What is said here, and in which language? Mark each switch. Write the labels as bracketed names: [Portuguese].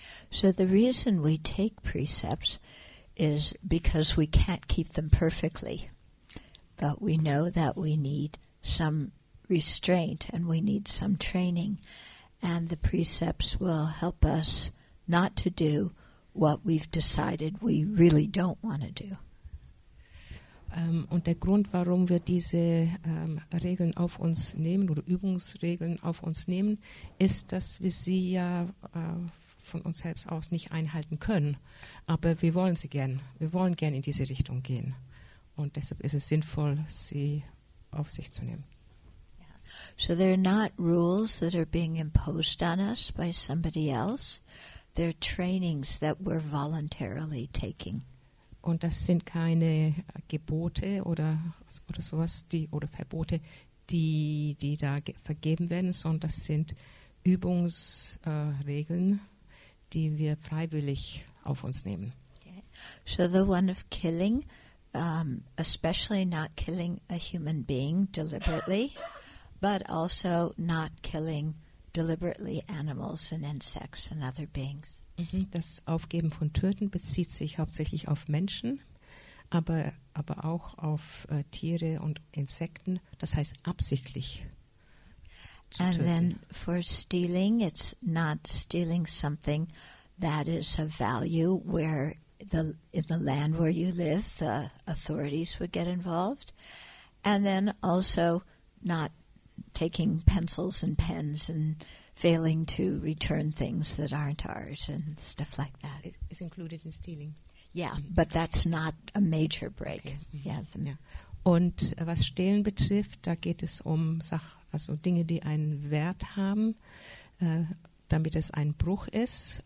[English] So the reason we take precepts is because we can't keep them perfectly. But we know that we need some restraint and we need some training. And the precepts will help us not to do what we've decided we really don't want to do. [German] Und der Grund, warum wir diese Regeln auf uns nehmen oder Übungsregeln auf uns nehmen, ist, dass wir sie ja von uns selbst aus nicht einhalten können. Aber wir wollen sie gern. Wir wollen gern in diese Richtung gehen. Und deshalb ist es sinnvoll, sie auf sich zu nehmen. [English] So they're not rules that are being imposed on us by somebody else. They're trainings that we're voluntarily taking. [German] Und das sind keine Gebote oder sowas, die oder Verbote, die da vergeben werden, sondern das sind Übungsregeln, die wir freiwillig auf uns nehmen. [English] Okay. So the one of killing, especially not killing a human being deliberately, but also not killing deliberately animals and insects and other beings. [German] Das Aufgeben von Töten bezieht sich hauptsächlich auf Menschen, aber auch auf Tiere und Insekten, das heißt absichtlich zu [English] and [German] töten. [English] And then for stealing, it's not stealing something that is of value where in the land where you live, the authorities would get involved. And then also not taking pencils and pens and failing to return things that aren't ours and stuff like that. It's included in stealing. Yeah, but that's not a major break. Okay. Yeah. [German] Ja. Und was Stehlen betrifft, da geht es um Dinge, die einen Wert haben, damit es ein Bruch ist.